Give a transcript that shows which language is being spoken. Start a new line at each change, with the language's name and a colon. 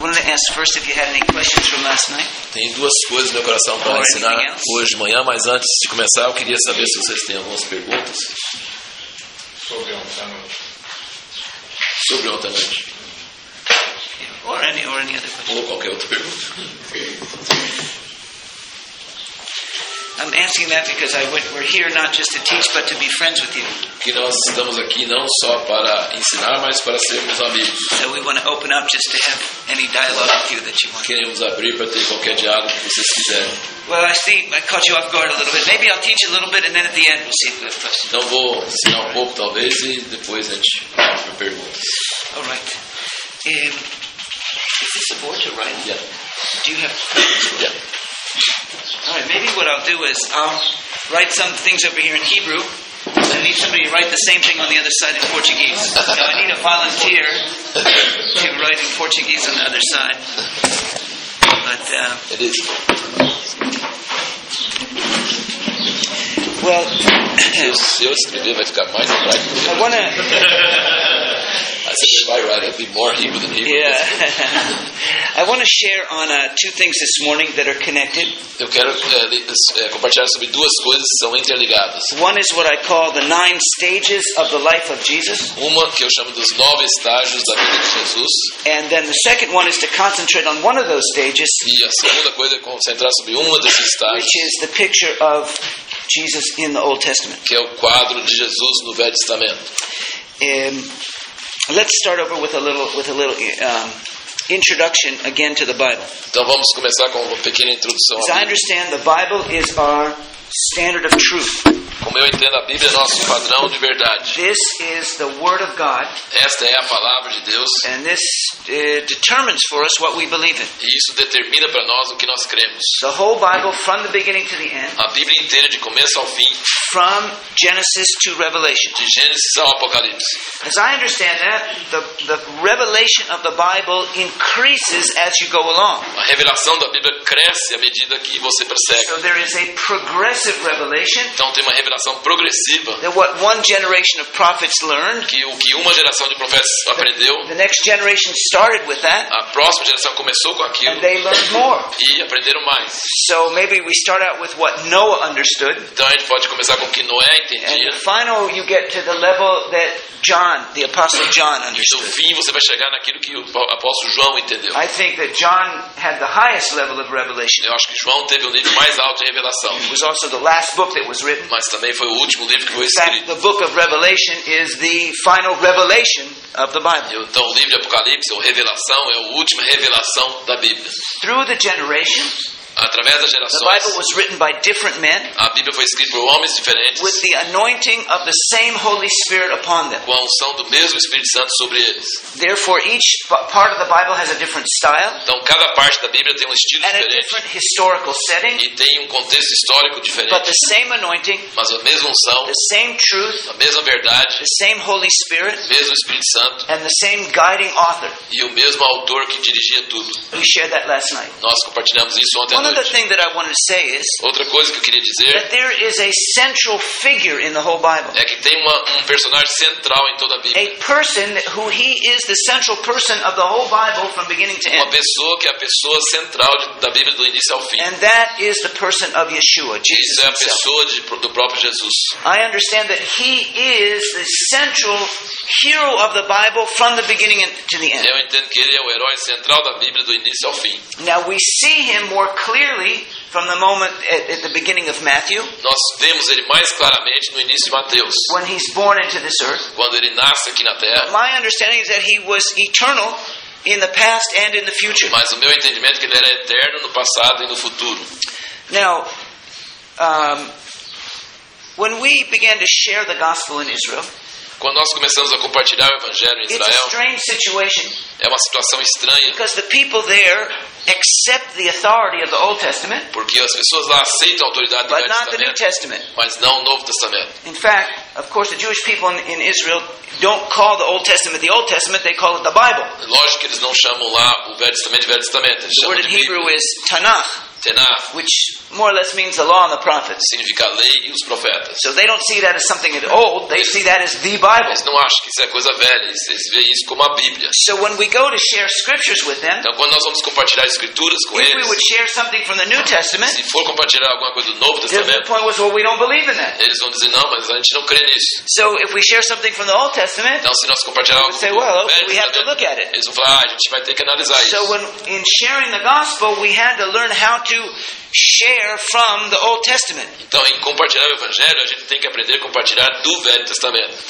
English: ask first if you had any questions from last night.
Portuguese: Tem duas coisas no meu coração para ensinar hoje de manhã, mas antes de começar, eu queria saber se vocês têm algumas perguntas. Sobre ontem à noite.
English: Or any other questions.
Portuguese: Ou qualquer outra pergunta.
English: I'm asking that because we're here not just to teach, but to be friends with you.
Portuguese: Que nós estamos aqui não só para ensinar, mas para sermos amigos.
English: So we want to open up just to have any dialogue with you that you want.
Portuguese: Queremos abrir para ter qualquer diálogo que vocês quiserem.
English: Well, I caught you off guard a little bit. Maybe I'll teach a little bit, and then at the end we'll see if we have questions.
Portuguese: Então vou ensinar um pouco talvez e depois a gente abre perguntas.
English: All right. Is this a board to write? Yeah. Do you have? Yeah. All right, maybe what I'll do is I'll write some things over here in Hebrew. I need somebody to write the same thing on the other side in Portuguese. So I need a volunteer to write in Portuguese on the other side. But it is. Well,
Portuguese: se eu escrever vai ficar mais em
English: Hebrew. I want to. I said if I write, it'd be more Hebrew than Hebrew. Yeah. I want to share on two things this morning that are connected.
Portuguese: Eu quero compartilhar sobre duas coisas que são interligadas.
English: One is what I call the nine stages of the life of Jesus.
Portuguese: Uma que eu chamo dos nove estágios da vida de Jesus.
English: And then the second one is to concentrate on one of those stages.
Portuguese: E a segunda coisa é concentrar sobre uma desses estágios.
English: Which is the picture of Jesus in the Old Testament.
Portuguese: Que é o quadro de Jesus no Velho Testamento.
English: Let's start over with a little. Introduction again to the Bible.
Portuguese: Então vamos começar com uma pequena introdução.
English: As I understand, the Bible is our standard of truth.
Portuguese: Como eu entendo, a Bíblia é nosso padrão de verdade.
English: This is the Word of God.
Portuguese: Esta é a palavra de Deus.
English: And this determines for us what we believe in.
Portuguese: E isso determina para nós o que nós cremos.
English: The whole Bible, from the beginning to the end.
Portuguese: A Bíblia inteira, de começo ao fim.
English: From Genesis to Revelation.
Portuguese: De Gênesis ao Apocalipse.
English: As I understand that, the revelation of the Bible increases as you go along.
Portuguese: A revelação da Bíblia cresce à medida que você persegue.
English: So there is a progressive revelation.
Portuguese: Então tem uma revelação progressiva.
English: That what one generation of prophets learned.
Portuguese: Que o que uma geração de profetas aprendeu.
English: The next generation started with that.
Portuguese: A próxima geração começou com aquilo.
English: And they learned more.
Portuguese: E aprenderam mais.
English: So maybe we start out with what Noah understood.
Portuguese: Então a gente pode começar com o que Noé entendia.
English: And finally you get to the level that John, the apostle John, understood.
Portuguese: E no fim você vai chegar naquilo que o apóstolo João entendeu.
English: I think that John had the highest level of revelation.
Portuguese: Eu acho que João teve o nível mais alto de revelação.
English: It was also the last book that was written.
Portuguese: Mas também foi o último livro que foi escrito.
English: In fact, the book of Revelation is the final revelation of the Bible.
Portuguese: Então o livro de Apocalipse, ou revelação, é a última revelação da Bíblia.
English: Through the generations.
Portuguese: Através das gerações.
English: The Bible was written by different men.
Portuguese: A Bíblia foi escrita por homens diferentes.
English: With the anointing of the same Holy Spirit upon them.
Portuguese: Com a unção do mesmo Espírito Santo sobre eles.
English: Therefore, each part of the Bible has a different style.
Portuguese: Então, cada parte da Bíblia tem um estilo
English: and
Portuguese: diferente.
English: A different historical setting.
Portuguese: E tem um contexto histórico diferente.
English: But the same anointing.
Portuguese: Mas a mesma unção.
English: The same truth.
Portuguese: A mesma verdade.
English: The same Holy Spirit.
Portuguese: O mesmo Espírito Santo.
English: And the same guiding author.
Portuguese: E o mesmo autor que dirigia tudo.
English: We shared that last night.
Portuguese: Nós compartilhamos isso ontem à noite.
English: Another thing that I wanted to say is
Portuguese: outra coisa que eu queria dizer,
English: that there is a central figure in the whole Bible.
Portuguese: É que tem um personagem central em toda a Bíblia.
English: A person who he is the central person of the whole Bible from beginning to end.
Portuguese: Uma pessoa que é a pessoa central da Bíblia do início ao fim.
English: And that is the person of Yeshua, Jesus.
Portuguese: Isso é a pessoa do próprio Jesus.
English: I understand that he is the central hero of the Bible from the beginning to the end.
Portuguese: Eu entendo que ele é o herói central da Bíblia do início ao fim.
English: Now we see him more clearly from the moment at the beginning of Matthew.
Portuguese: Nós vemos ele mais claramente no início de Mateus.
English: When he's born into this earth.
Portuguese: Quando ele nasce aqui na terra.
English: My understanding is that he was eternal in the past and in the future.
Portuguese: Mas o meu entendimento é que ele era eterno no passado e no futuro.
English: Now, when we began to share the gospel in Israel.
Portuguese: Quando nós começamos a compartilhar o evangelho em Israel.
English: It's a strange situation.
Portuguese: É uma situação estranha.
English: Because the people there accept the authority of the Old Testament.
Portuguese: Porque as pessoas lá aceitam a autoridade do Velho Testamento.
English: But not the New Testament.
Portuguese: Mas não o Novo Testamento.
English: In fact, of course, the Jewish people in Israel don't call the Old Testament, they call it the Bible.
Portuguese: Lógico que eles não chamam lá o Velho Testamento de Velho Testamento.
English: The word in Hebrew is Tanakh.
Hebrew: Tenach,
English: which more or less means the law and the prophets.
Portuguese: Significa a lei e os profetas.
English: So they don't see that as something old, they see that as the Bible.
Portuguese: Eles não acham que isso é coisa velha, eles veem isso como a Bíblia.
English: So when we go to share scriptures with them,
Portuguese: então quando nós vamos compartilhar as escrituras com eles,
English: we would share something from the New Testament,
Portuguese: se for compartilhar alguma coisa do Novo Testamento,
English: the point was, well, we don't believe in that.
Portuguese: Eles vão dizer, não, mas a gente não crê nisso.
English: So if we share something from the Old Testament,
Portuguese: então se nós compartilhar algo do Novo Testamento,
English: we have to look at it.
Portuguese: Eles vão falar, ah, a gente vai ter que analisar isso.
English: So when in sharing the gospel, we had to learn how to share from the Old Testament.
Portuguese: Então, em compartilhar o Evangelho, a gente tem que aprender a compartilhar do Velho Testamento.